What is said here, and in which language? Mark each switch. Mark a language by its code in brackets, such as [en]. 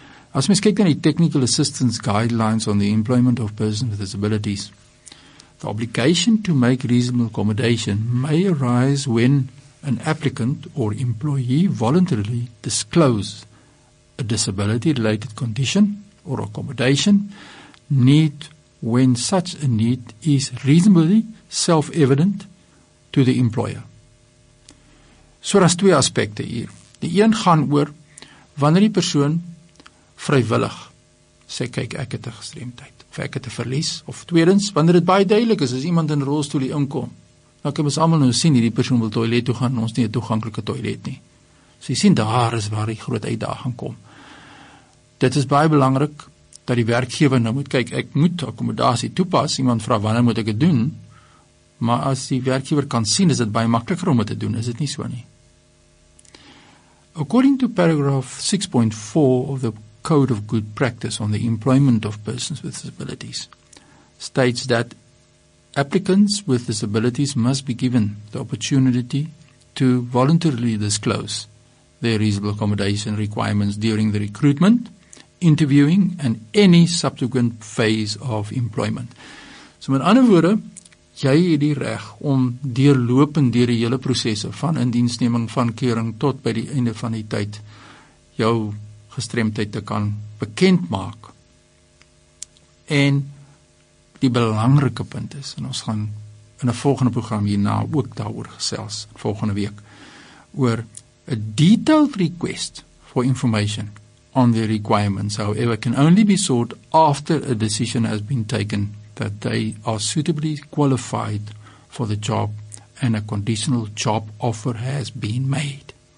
[af] As mens kyk na die [en] Technical Assistance Guidelines on the Employment of Persons with Disabilities, the obligation to make reasonable accommodation may arise when an applicant or employee voluntarily disclose a disability-related condition or accommodation need when such a need is reasonably self-evident to the employer. [af] So daar's twee aspekte hier. Die een gaan oor wanneer die persoon vrywillig sê, kyk, ek het 'n gestremdheid of ek het 'n verlies, of tweedens wanneer dit baie duidelik is as iemand in rolstoel inkom. Dan kan ons almal nou sien hierdie persoon wil toilet toe gaan, ons nie 'n toeganklike toilet nie. So jy sien daar is waar die groot uitdaging kom. Dit is baie belangrik dat die werkgewer nou moet kyk, ek moet akkommodasie toepas. Iemand vra wanneer moet ek dit doen? Maar as die werkgewer kan sien, is dit baie makliker om dit te doen, is dit nie so nie. [en] According to paragraph 6.4 of the Code of Good Practice on the Employment of Persons with Disabilities states that applicants with disabilities must be given the opportunity to voluntarily disclose their reasonable accommodation requirements during the recruitment, interviewing and any subsequent phase of employment. [af] So met ander woorde, jy het die reg om deurlopend deur die hele prosesse van indiensneming, van keuring tot by die einde van die tyd jou gestremdheid te kan bekend maak. En die belangrike punt is, en ons gaan in 'n volgende program hierna ook daaroor gesels volgende week, oor 'n [en] detailed request for information on the requirements, however, can only be sought after a decision has been taken that they are suitably qualified for the job and a conditional job offer has been made.